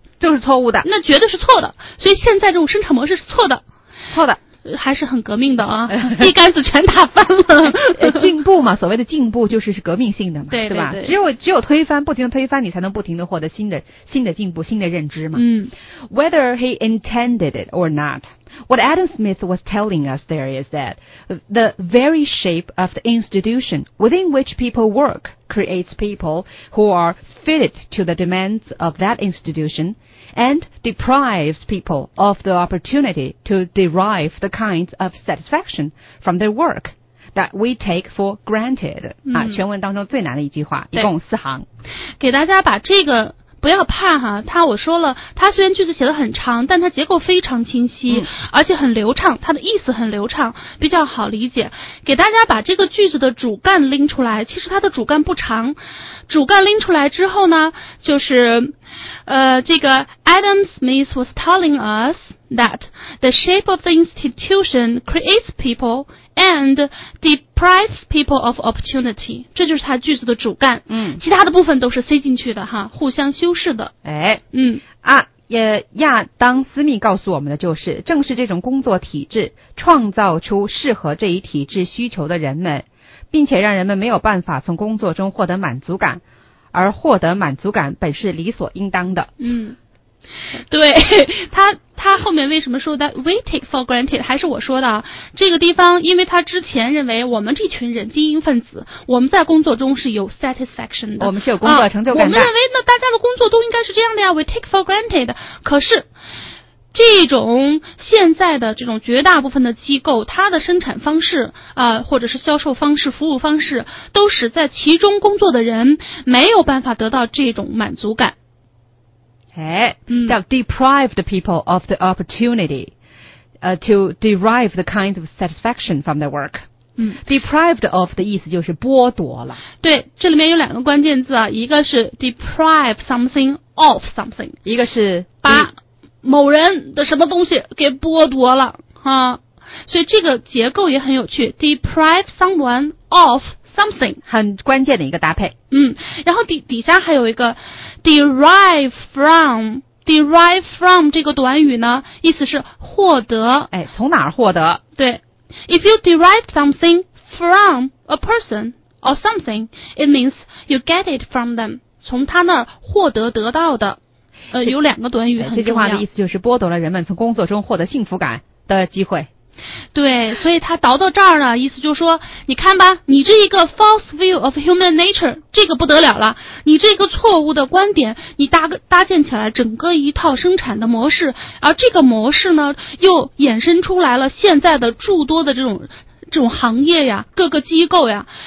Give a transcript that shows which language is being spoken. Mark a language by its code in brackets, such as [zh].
[zh] 就是错误的，那绝对是错的，所以现在这种生产模式是错的，错的还是很革命的啊，一竿子全打翻了。进步嘛，所谓的进步就是革命性的嘛，对, 对, 对, 对吧？只有推翻，不停的推翻，你才能不停的获得新的进步，新的认知嘛。嗯 [en] ，Whether he intended it or not, what Adam Smith was telling us there is that the very shape of the institution within which people work creates people who are fitted to the demands of that institution. And deprives people of the opportunity to derive the kinds of satisfaction from their work that we take for granted.、 [zh] 嗯、啊，全文当中最难的一句话，一共四行。给大家把这个不要怕哈，他我说了，他虽然句子写得很长，但他结构非常清晰、而且很流畅，他的意思很流畅，比较好理解。给大家把这个句子的主干拎出来，其实他的主干不长，主干拎出来之后呢，就是这个 [en] Adam Smith was telling us that the shape of the institution creates people and deprives people of opportunity. [zh] 这就是他句子的主干。嗯，其他的部分都是塞进去的哈，互相修饰的。哎，嗯，啊，也亚当斯密告诉我们的就是，正是这种工作体制创造出适合这一体制需求的人们，并且让人们没有办法从工作中获得满足感。而获得满足感本是理所应当的。嗯，对，他后面为什么说 [en] that we take for granted， [zh] 还是我说的这个地方，因为他之前认为我们这群人精英分子，我们在工作中是有 satisfaction 的，我们是有工作成就感的、我们认为那大家的工作都应该是这样的呀， [en] we take for granted， [zh] 可是这种现在的这种绝大部分的机构，它的生产方式或者是销售方式、服务方式，都使在其中工作的人没有办法得到这种满足感。哎，叫 [en] deprive the people of the opportunity to derive the kinds of satisfaction from their work。 [zh] 嗯，deprived of 的意思就是剥夺了。对，这里面有两个关键字啊，一个是 [en] deprive something of something， [zh] 一个是把。某人的什么东西给剥夺了啊，所以这个结构也很有趣 ， [en] deprive someone of something， [zh] 很关键的一个搭配。嗯，然后底下还有一个 derive from 这个短语呢，意思是获得，哎，从哪儿获得？ [en] 对 ，if you derive something from a person or something， it means you get it from them， [zh] 从他那儿获得到的。有两个短语很重要，这句话的意思就是剥夺了人们从工作中获得幸福感，的机会。对，所以他倒到这儿呢，意思就是说，你看吧，你这一个 [en] false view of human nature， [zh] 这个不得了了，你这个错误的观点，你搭建起来整个一套生产的模式，而这个模式呢，又衍生出来了现在的诸多的这种行业呀，各个机构呀，